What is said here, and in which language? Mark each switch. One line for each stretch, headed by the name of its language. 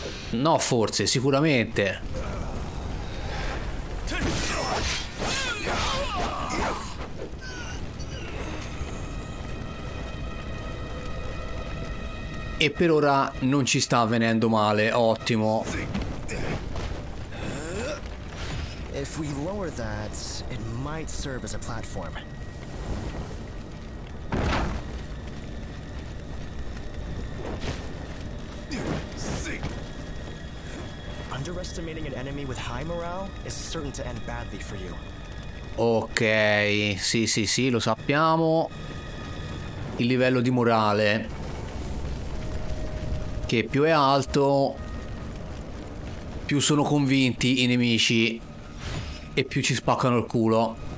Italian: No, forse, sicuramente. E per ora non ci sta venendo male, ottimo.
English: If we lower that, it might serve as a platform. Underestimating an enemy with high morale is certain to end badly for you.
Italian: Ok, sì, lo sappiamo. Il livello di morale, che più è alto, più sono convinti i nemici e più ci spaccano il culo.